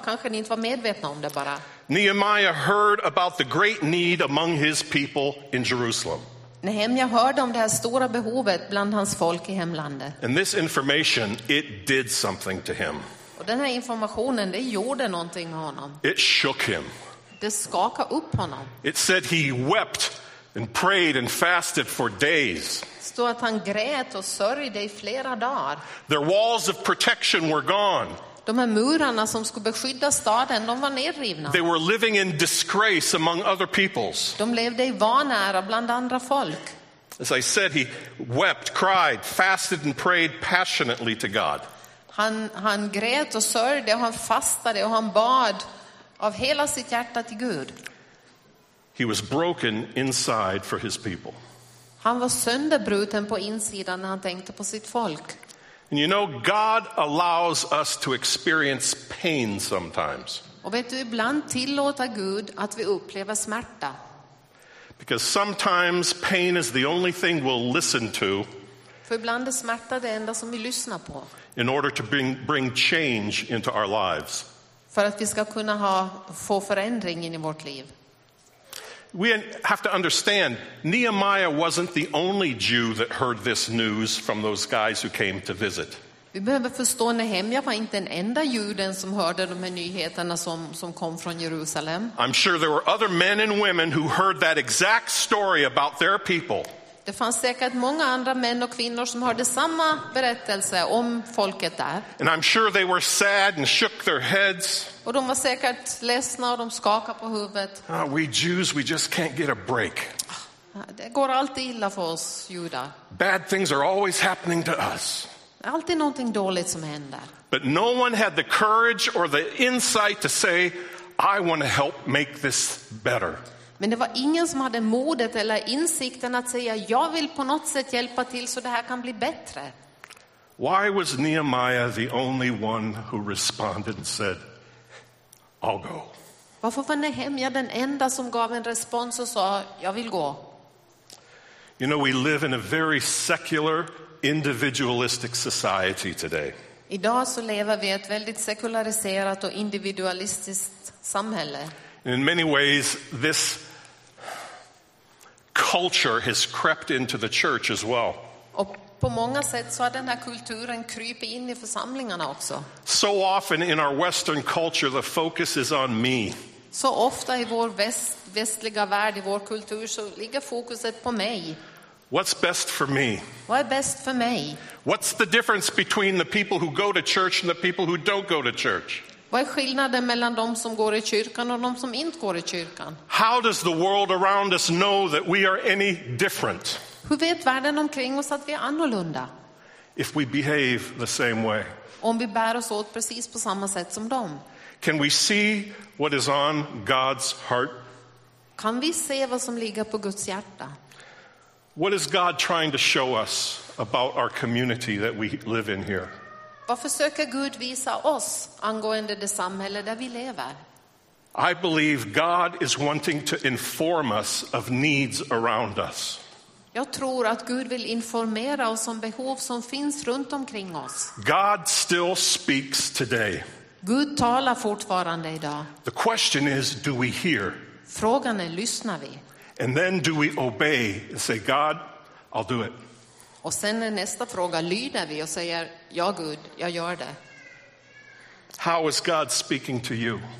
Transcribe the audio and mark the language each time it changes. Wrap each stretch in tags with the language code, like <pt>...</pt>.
<sv>Kanske ni inte var medvetna om det bara.</sv> <en>Nehemiah heard about the great need among his people in Jerusalem.</en> <sv>Nehemja hörde om det här stora behovet bland hans folk i hemlandet.</sv> <en>And this information, it did something to him.</en> <sv>Och den här informationen, det gjorde någonting med honom.</sv> <en>It shook him.</en> <sv>Det skakade upp honom.</sv> <en>It said he wept and prayed and fasted for days.</en> <sv>Stod att han grät och sörjde i flera dagar.</sv> <en>Their walls of protection were gone.</en> <sv>De här murarna som skulle beskydda staden, de var nedrivna.</sv> <en>They were living in disgrace among other peoples.</en> <sv>De levde i vanära bland andra folk.</sv> <en>As I said, he wept, cried, fasted and prayed passionately to God.</en> <sv>Han grät och sörjde, han fastade och han bad av hela sitt hjärta till Gud.</sv> <en>He was broken inside for his people.</en> <sv>Han var sönderbruten på insidan när han tänkte på sitt folk.</sv> <en>And you know, God allows us to experience pain sometimes.</en> <sv>Och vet du, ibland tillåter Gud att vi upplever smärta.</sv> <en>Because sometimes pain is the only thing we'll listen to.</en> <sv>För ibland är smärta det enda som vi lyssnar på.</sv> <en>In order to bring change into our lives.</en> <sv>För att vi ska kunna få förändring in i vårt liv.</sv> <en>We have to understand, Nehemiah wasn't the only Jew that heard this news from those guys who came to visit.</en> <sv>Vi behöver förstå, Nehemiah var inte den enda juden som hörde de här nyheterna som kom från Jerusalem.</sv> <en>I'm sure there were other men and women who heard that exact story about their people.</en> <sv>Det fanns säkert många andra män och kvinnor som hörde samma berättelse om folket där.</sv> <en>And I'm sure they were sad and shook their heads.</en> <sv>Och de var säkert ledsna och de skakade på huvudet.</sv> <en>Oh, we Jews, we just can't get a break.</en> <sv>Det går alltid illa för oss judar.</sv> <en>Bad things are always happening to us.</en> <sv>Det är alltid någonting dåligt som händer.</sv> <en>But no one had the courage or the insight to say, I want to help make this better.</en> <sv>Men det var ingen som hade modet eller insikten att säga, jag vill på något sätt hjälpa till så det här kan bli bättre.</sv> <en>Why was Nehemiah the only one who responded and said, I'll go?</en> <sv>Varför var Nehemiah den enda som gav en respons och sa, jag vill gå?</sv> <en>You know, we live in a very secular, individualistic society today.</en> <sv>Idag så lever vi ett väldigt sekulariserat och individualistiskt samhälle.</sv> <en>In many ways, this culture has crept into the church as well.</en> <sv>Och på många sätt så har den här kulturen krypit in i församlingarna också.</sv> <en>So often in our Western culture, the focus is on me.</en> <sv>Så ofta i vår västliga värld, i vår kultur, så ligger fokuset på mig.</sv> <en>What's best for me?</en> <sv>Vad är bäst för mig?</sv> <en>What's the difference between the people who go to church and the people who don't go to church?</en> <sv>Vad är skillnaden mellan de som går i kyrkan och de som inte går i kyrkan?</sv> <en>How does the world around us know that we are any different?</en> <sv>Hur vet världen omkring oss att vi är annorlunda?</sv> <en>If we behave the same way.</en> <sv>Om vi bär oss åt precis på samma sätt som dem.</sv> <en>Can we see what is on God's heart?</en> <sv>Kan vi se vad som ligger på Guds hjärta?</sv> <en>What is God trying to show us about our community that we live in here?</en> <sv>Vad försöker Gud visa oss angående det samhälle där vi lever?</sv> <en>I believe God is wanting to inform us of needs around us.</en> <sv>Jag tror att Gud vill informera oss om behov som finns runt omkring oss.</sv> <en>God still speaks today.</en> <sv>Gud talar fortfarande idag.</sv> <en>The question is, do we hear?</en> <sv>Frågan är, lyssnar vi?</sv> <en>And then do we obey and say, God, I'll do it.</en> <sv>Och sen är nästa fråga, lyder vi och säger, ja Gud, jag gör det.</sv> <en>How is God speaking to you?</en>